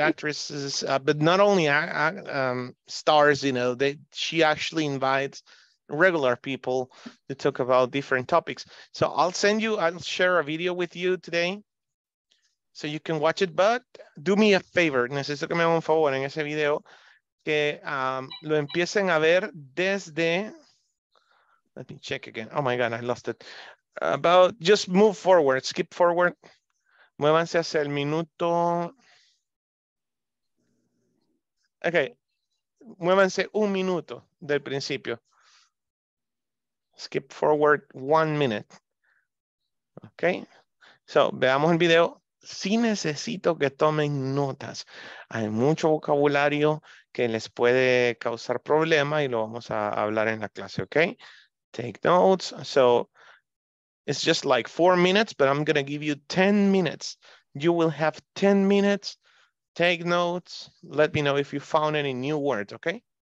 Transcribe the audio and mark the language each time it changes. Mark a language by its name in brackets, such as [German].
[English] Actresses, but not only stars, you know, she actually invites regular people to talk about different topics. So I'll share a video with you today. So you can watch it, but do me a favor. [Spanish] Necesito que me hagan un favor en ese video, que lo empiecen a ver desde. [English] Let me check again. Oh my God, I lost it. About just move forward, skip forward. [Spanish] Muévanse hacia el minuto. Okay, muévanse un minuto del principio. [English] Skip forward 1 minute. Okay, so [Spanish] veamos el video. Sí necesito que tomen notas. Hay mucho vocabulario que les puede causar problema y lo vamos a hablar en la clase, okay? [English] Take notes. So it's just like 4 minutes, but I'm going to give you 10 minutes. You will have 10 minutes. Take notes. Let me know if you found any new words, okay?